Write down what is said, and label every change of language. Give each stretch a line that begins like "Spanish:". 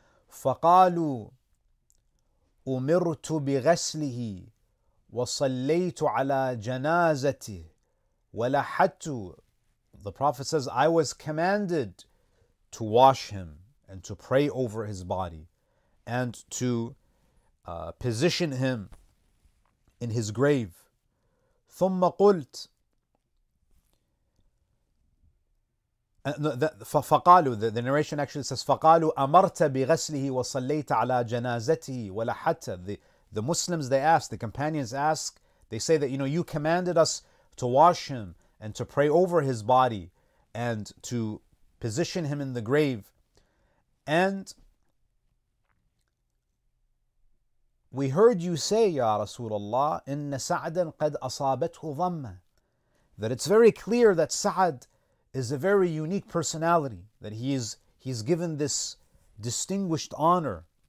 Arabic: فَقَالُوا أُمِرْتُ بِغَسْلِهِ وَصَلَّيْتُ عَلَىٰ جَنَازَتِهِ وَلَحَتُّ.
English: The Prophet says, I was commanded to wash him and to pray over his body and to position him in his grave.
Arabic: ثُمَّ قُلْتُ فَقَالُوا,
English: the narration actually says,
Arabic: فَقَالُوا أَمَرْتَ بِغَسْلِهِ وَصَلَّيْتَ عَلَىٰ جَنَازَتِهِ وَلَحَتَّ.
English: The Muslims, they ask, the companions ask, they say that, you know, you commanded us to wash him and to pray over his body and to position him in the grave. And we heard you say, Ya Rasulullah,
Arabic: إِنَّ سَعْدًا قَدْ أَصَابَتْهُ ظَمَّةً,
English: that it's very clear that Sa'd is a very unique personality, that he's given this distinguished honor.